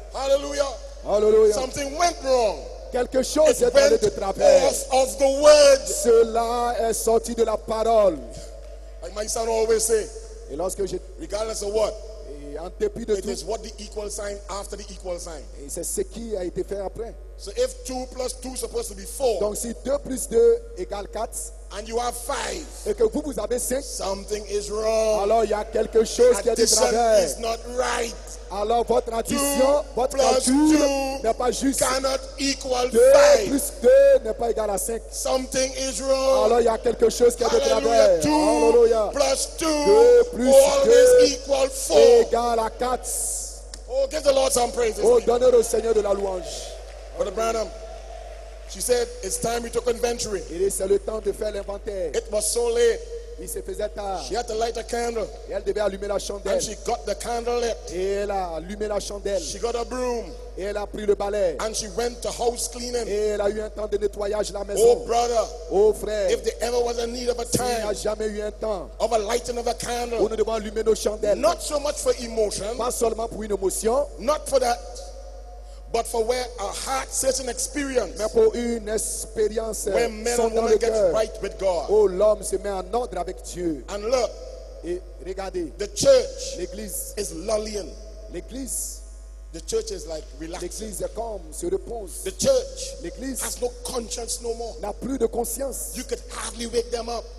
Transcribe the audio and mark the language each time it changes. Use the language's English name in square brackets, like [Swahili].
[English] Hallelujah. Hallelujah. Something went wrong. [French] Quelque chose est allé de travers. [English] Of the word. [French] Cela est sorti de la parole. [English] Like my son always say. [French] Et lorsque je [English] regardless of what. [French] Et en dépit de [English] it [French] tout. [English] It is what the equal sign after the equal sign. [French] Et c'est ce qui a été fait après. [English] So if 2 plus 2 is supposed to be 4. [French] Donc si 2 plus 2 égale 4. [English] And you have 5. [French] Et que vous avez 5. [English] Something is wrong. [French] Alors il y a quelque chose qui est de travers. [English] Is not right. [French] Alors votre addition, votre calcul n'est pas juste. [English] Cannot equal 2 5. [French] Plus 2 n'est pas égal à 5. [English] Something is wrong. [French] Alors il y a quelque chose qui est de travers. [English] 2 [French] Alléluia. [English] Plus 2, 2 plus always 2 equal 4. [French] Égal à 4. [English] Oh, give the Lord some praises. [French] Oh, donnez au Seigneur de la louange. [English] Brother Branham, she said, it's time we took inventory. [French] Il est c'est le temps de faire l'inventaire. [English] It was so late. [French] Il se faisait tard. [English] She had to light a candle. [French] Et elle devait allumer la chandelle. [English] And she got the candle lit. [French] Et elle a allumé la chandelle. [English] She got a broom. [French] Et elle a pris le balai. [English] And she went to house cleaning. [French] Et elle a eu un temps de nettoyage la maison. [English] Oh brother. [French] Oh frère. [English] If there ever was a need of a time. [French] Il n'y a jamais eu un temps. [English] Of a lighting of a candle. [French] Où nous devons allumer nos chandelles. [English] Not so much for emotion. [French] Pas seulement pour une émotion. [English] Not for that. But for where a heart sets an experience. [French] Mais pour une expérience. [English] Where men and women get right with God. [French] Oh, l'homme se met en ordre avec Dieu. [English] And look. [French] Et regardez. [English] The church. [French] L'église. [English] Is lullying. [French] L'église. [English] The church is like relaxing. [French] L'église est calme, se repose. [English] The church. [French] L'église. [English] Has no conscience no more. [French] N'a plus de conscience. [English] You could hardly wake them up.